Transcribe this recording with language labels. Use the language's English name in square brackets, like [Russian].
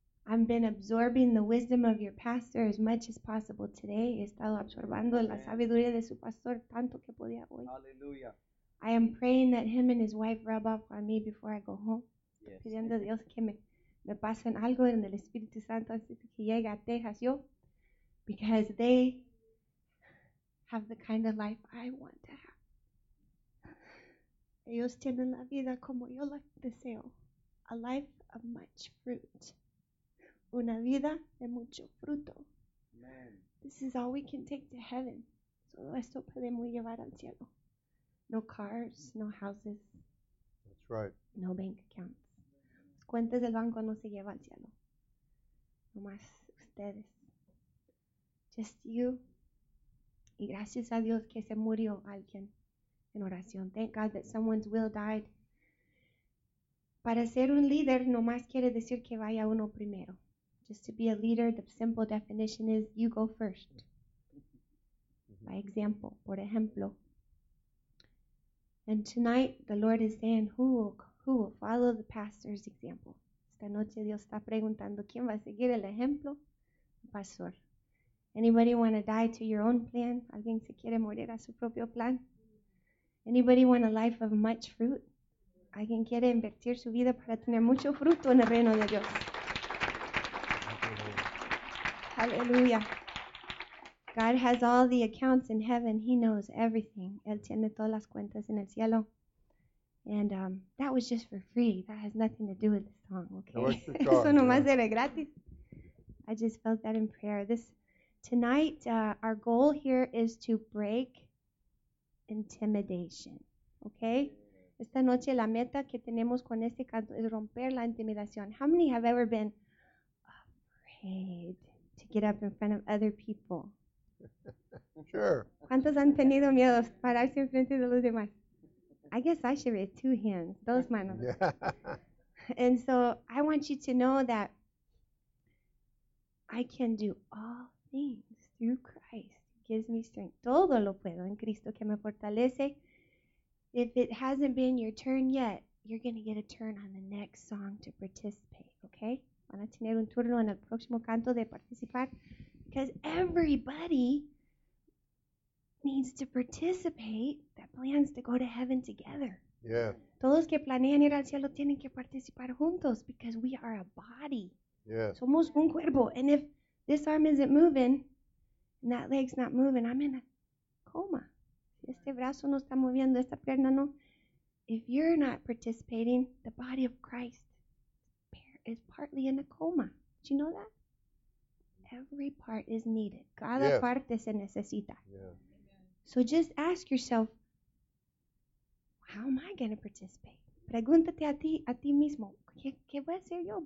[English] I've been absorbing the wisdom of your pastor as much as possible today. [Spanish] He estado absorbando la sabiduría de su pastor tanto que podía hoy. [English] Hallelujah. I am praying that him and his wife rub off on me before I go home. Yes. [Spanish] Pidiendo a Dios que me pasen algo en el Espíritu Santo así que llegue a Texas yo. [English] Because they have the kind of life I want to have. [Spanish] Ellos tienen la vida como yo la deseo. [English] A life of much fruit. [Spanish] Una vida de mucho fruto. [English] Amen. This is all we can take to heaven. [Spanish] Solo esto podemos llevar al cielo. [English] No cars, no houses. That's right. No bank accounts. [Spanish] Las cuentas del banco no se lleva al cielo. No más ustedes. [English] Just you. [Spanish] Y gracias a Dios que se murió alguien en oración. [English] Thank God that someone's will died. [Spanish] Para ser un líder no más quiere decir que vaya uno primero. [English] Just to be a leader, the simple definition is you go first. Mm-hmm. By example, [Spanish] por ejemplo. [English] And tonight, the Lord is saying, who will follow the pastor's example? [Spanish] Esta noche Dios está preguntando, ¿quién va a seguir el ejemplo? El pastor. [English] Anybody want to die to your own plan? [Spanish] ¿Alguien se quiere morir a su propio plan? [English] Anybody want a life of much fruit? [Spanish] ¿Alguien quiere invertir su vida para tener mucho fruto en el reino de Dios? [English] Hallelujah. God has all the accounts in heaven. He knows everything. [Spanish] Él tiene todas las cuentas en el cielo. [English] And that was just for free. That has nothing to do with the song, okay? No, it's the [Spanish] Eso nomás era gratis. [English] I just felt that in prayer. This tonight, our goal here is to break intimidation. Okay? [Spanish] Esta noche la meta que tenemos con este canto es romper la intimidación. [English] How many have ever been afraid to get up in front of other people? Sure. [Spanish] ¿Cuántos han tenido miedo pararse en frente de los demás? [English] I guess I should raise two hands, [Spanish] dos manos. [English] Yeah. And so I want you to know that I can do all things through Christ. He gives me strength. [Spanish] Todo lo puedo en Cristo que me fortalece. [English] If it hasn't been your turn yet, you're going to get a turn on the next song to participate, okay? [Spanish] Van a tener un turno en el próximo canto de participar. [English] Because everybody needs to participate that plans to go to heaven together. Yeah. [Spanish] Todos que planean ir al cielo tienen que participar juntos [English] because we are a body. Yeah. [Spanish] Somos un cuerpo. [English] And if this arm isn't moving and that leg's not moving, I'm in a coma. [Spanish] Este brazo no está moviendo, esta pierna no. [English] If you're not participating, the body of Christ is partly in a coma. Did you know that? Every part is needed. Cada yeah. [Spanish] parte se necesita. [English] Yeah. So just ask yourself, how am I going to participate? [Spanish] Pregúntate a ti mismo, ¿qué voy a hacer yo?